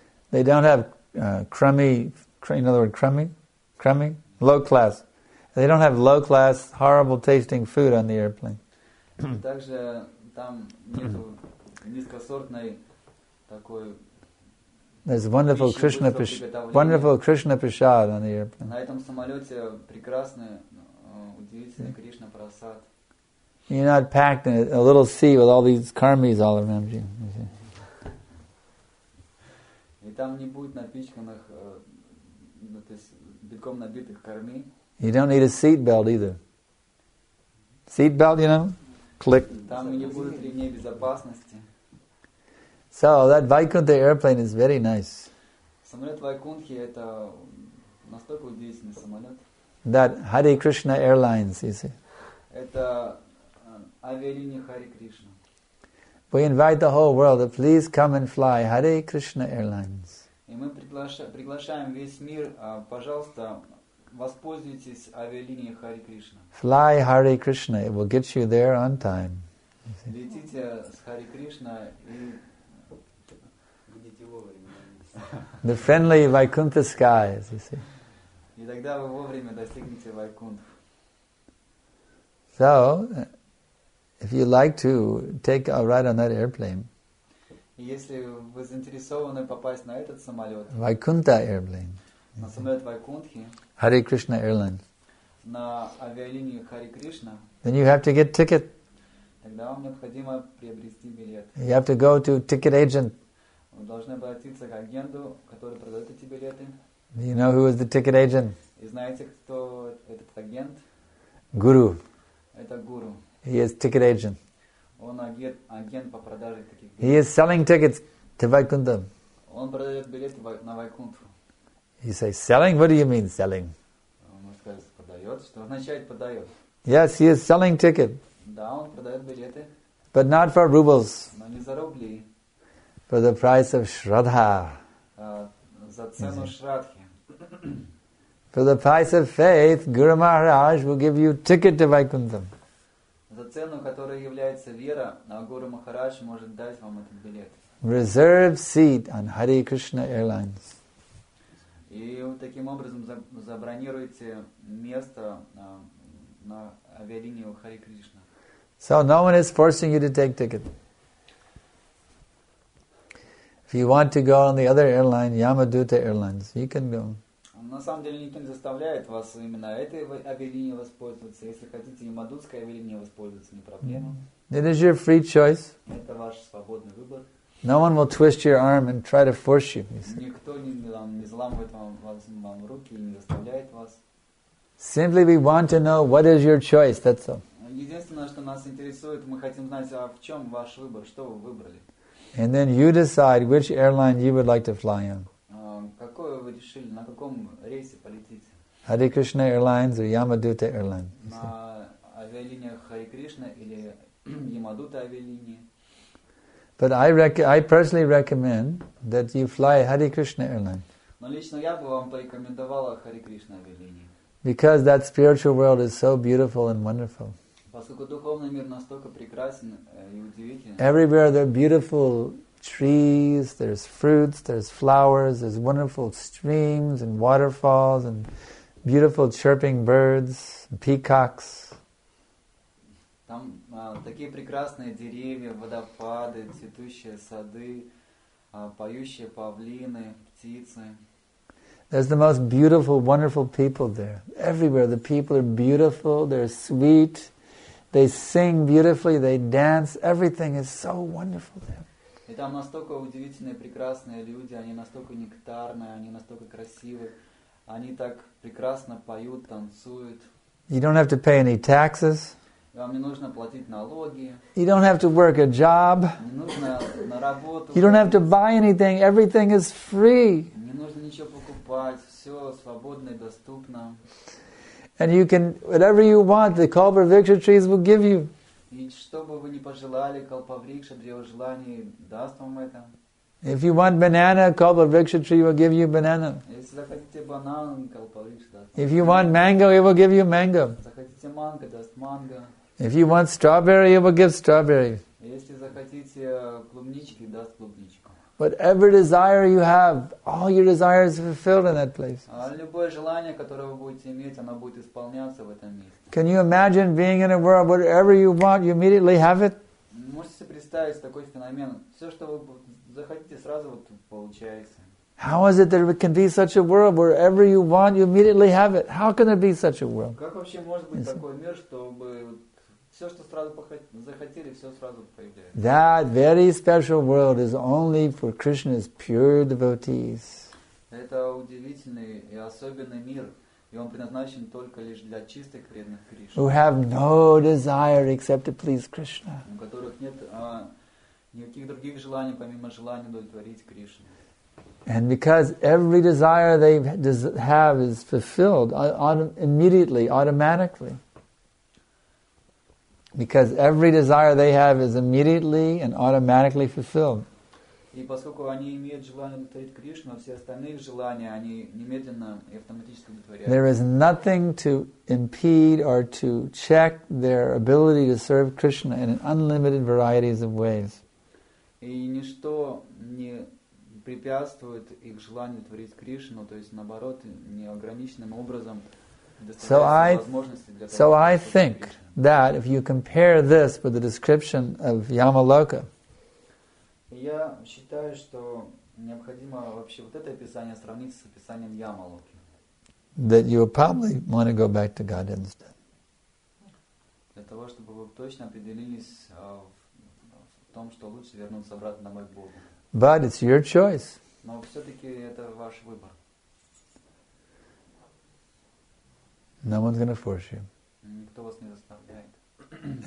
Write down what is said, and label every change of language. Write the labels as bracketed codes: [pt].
[en] They don't have crummy, in other words, crummy, low class. They don't have low class, horrible tasting food on the airplane. [ru] Также там нету низкосортной такой. [en] There's wonderful Krishna Prasad on the airplane. [ru] На этом самолете прекрасный, удивительный Кришна Прасад. [en] You're not packed in a little sea with all these karmis all around you. You see. [ru] И там не будет напичканных, то есть битком набитых корми. [en] You don't need a seat belt either. Seat belt, you know? Click. [ru] Там не будет ремней безопасности. [en] So that Vaikuntha airplane is very nice. [ru] Самолет Вайкунтхи это настолько удивительный самолет. [en] That Hare Krishna Airlines, you see. [ru] Это авиалиния Hare Krishna. [en] We invite the whole world to please come and fly Hare Krishna Airlines. [ru] И мы приглашаем весь мир, пожалуйста, воспользуйтесь авиалинией Hare Krishna. [en] Fly Hare Krishna, it will get you there on time. [ru] Летите с Hare Krishna и будете вовремя. [en] The friendly Vaikuntha skies, you see. [ru] И тогда вы вовремя достигнете Вайкунтх. [en] So, if you like to take a ride on that airplane, [ru] если вы заинтересованы попасть на этот самолет, [en] Vaikuntha airplane, [ru] на самолет Вайкунтхи, [en] Hare Krishna airline, [ru] на авиалинию Hare Krishna, [en] then you have to get ticket. [ru] Тогда вам необходимо приобрести билет. [en] You have to go to ticket agent. [ru] Вы должны обратиться к агенту, который продает эти билеты. [en] Do you know who is the ticket agent? [ru] И знаете, кто этот агент? [en] Guru. [ru] Это гуру. [en] He is ticket agent. [ru] Он агент по продаже таких билетов. [en] He is selling tickets to Vaikuntha. [ru] Он продает билеты на Вайкунтху. [en] He says selling. What do you mean selling? [ru] Он сказал продает. Что означает продает? [en] Yes, he is selling tickets. [ru] Да, он продает билеты. [en] But not for rubles. [ru] Но не за рубли. [en] For the price of Shraddha. [ru] За цену Шрадхи. [en] For the price of faith, Guru Maharaj will give you ticket to Vaikuntham. [ru] За цену, которая является вера, Гуру Махарадж может дать вам этот билет. [en] Reserve seat on Hare Krishna Airlines. [ru] И таким образом забронируйте место на авиалинии Hare Krishna. [en] So no one is forcing you to take ticket. If you want to go on the other airline, Yamaduta Airlines, you can go. [ru] На самом деле никто не заставляет вас именно этой авиалинией воспользоваться. Если хотите Yamadutskaya авиалинией воспользоваться, не проблема. [en] It is your free choice. [ru] Это ваш свободный выбор. [en] No one will twist your arm and try to force you. [ru] Никто не заламывает вам руки и не заставляет вас. [en] Simply we want to know what is your choice, that's all. [ru] Единственное, что нас интересует, мы хотим знать, а в чем ваш выбор, что вы выбрали. [en] And then you decide which airline you would like to fly on. [ru] Какое вы решили, на каком рейсе полететь? [en] Hare Krishna Airlines or Yamaduta Airlines? [ru] На авиалиниях Hare Krishna или Yamaduta авиалинии. [en] But I personally recommend that you fly Hare Krishna Airlines. [ru] Но лично я бы вам порекомендовала Hare Krishna авиалинии. [en] Because that spiritual world is so beautiful and wonderful. [ru] Поскольку духовный мир настолько прекрасен и удивителен. [en] Everywhere there are beautiful trees, there's fruits, there's flowers, there's wonderful streams and waterfalls and beautiful chirping birds, peacocks. [ru] Там такие прекрасные деревья, водопады, цветущие сады, поющие павлины, птицы. [en] There's the most beautiful, wonderful people there. Everywhere the people are beautiful, they're sweet. They sing beautifully, they dance, everything is so wonderful there. [ru] И там настолько удивительные, прекрасные люди, они настолько нектарные, они настолько красивые, они так прекрасно поют, танцуют. [en] You don't have to pay any taxes. [ru] Вам не нужно платить налоги. [en] You don't have to work a job. [ru] Не нужно на работу. [en] You don't have to buy anything, everything is free. [ru] Не нужно ничего покупать, все свободно и доступно. [en] And you can, whatever you want, the Kalpavriksha trees will give you. [ru] И что бы вы ни пожелали, Kalpavriksha, древо желаний, даст вам это. [en] If you want banana, Kalpavriksha tree will give you banana. [ru] Если захотите банан, Kalpavriksha даст вам. [en] If you want mango, it will give you mango. [ru] Захотите манго, даст манго. [en] If you want strawberry, it will give strawberry. [ru] Если захотите клубнички, даст клубничку. [en] Whatever desire you have, all your desires are fulfilled in that place. [ru] Любое желание, которое вы будете иметь, оно будет исполняться в этом месте. [en] Can you imagine being in a world whatever you want, you immediately have it? [ru] Можете себе представить такой феномен? Все, что вы захотите, сразу вот получается. [en] How is it that there can be such a world wherever you want, you immediately have it? How can there be such a world? [ru] Как вообще может быть такой мир, чтобы все, что сразу захотели, все сразу появляется. [en] That very special world is only for Krishna's pure devotees. [ru] Это удивительный и особенный мир, и он предназначен только лишь для чистых преданных Кришны. [en] Who have no desire except to please Krishna. [ru] У которых нет никаких других желаний, помимо желания удовлетворить Кришну. [en] And because every desire they have is fulfilled immediately, automatically. Because every desire they have is immediately and automatically fulfilled. [ru] И поскольку они имеют желание удовлетворить Кришну, все остальные желания они немедленно и автоматически удовлетворяют. [en] There is nothing to impede or to check their ability to serve Krishna in an unlimited varieties of ways. [ru] И ничто не препятствует их желанию творить Кришну, то есть наоборот, неограниченным образом. [en] So I think that if you compare this with the description of Yamaloka, [ru] я считаю, что необходимо вообще вот это описание сравнить с описанием Ямалоки. [en] That you will probably want to go back to God instead. [ru] Для того, чтобы вы точно определились в том, что лучше вернуться обратно к Богу. [en] But it's your choice. [ru] Но все-таки это ваш выбор. [en] No one's going to force you. [ru] Никто вас не заставляет.